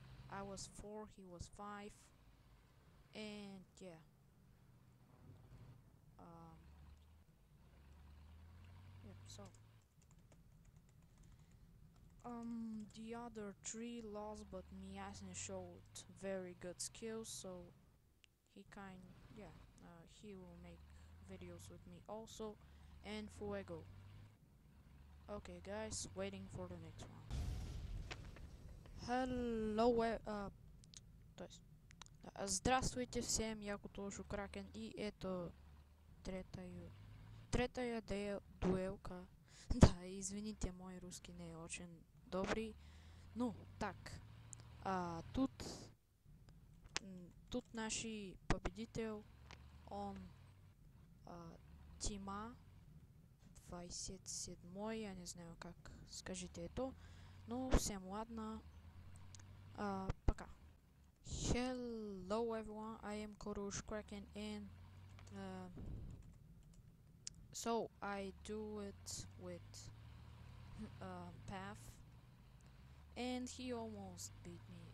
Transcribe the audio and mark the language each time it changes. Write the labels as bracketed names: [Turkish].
[English] I was 4, he was 5, and yeah, so, the other 3 lost, but Miasne showed very good skills, so, he will make videos with me also, and Fuego. Okay guys, waiting for the next one. Hello, [Russian] то есть, здравствуйте всем, я Кутушу Кракен, и это третья дуэлка. Да, извините, мой русский не очень добрый. Ну, так, тут наш победитель, он Тима 27, я не знаю, как скажите это. Ну, всем ладно. Пока. [English] Hello everyone, I am Kurush Kraken, and so I do it with Path, and he almost beat me.